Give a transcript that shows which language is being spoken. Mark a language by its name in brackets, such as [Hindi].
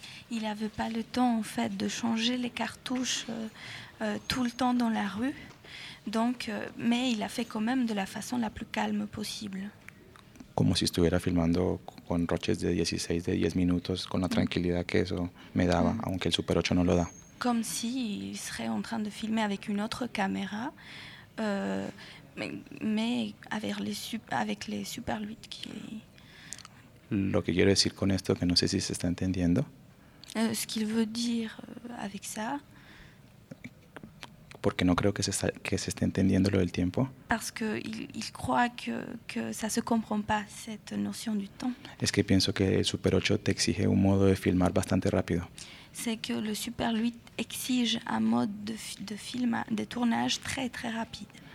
[French] Il avait pas le temps en fait de changer les cartouches tout le temps dans la rue. Donc mais il a fait quand même de la façon la plus calme possible. [Spanish] Como si estuviera filmando con roches de 16 de 10 minutos con la tranquilidad que eso me daba, aunque el Super 8 no lo da. [French] Comme si il serait en train de filmer avec une autre caméra mais avec les Super 8 qui. [Spanish] Lo que quiero decir con esto, que no sé si se está entendiendo. [French] Ce qu'il veut dire avec ça. [Spanish] Porque no creo que se esté entendiendo lo del tiempo. [French] Parce qu'il croit que ça se comprend pas, cette notion du temps. [Spanish] Es que pienso que el Super 8 te exige un modo de filmar bastante rápido. [French] C'est que le Super 8 exige un mode de tournage très très rapide.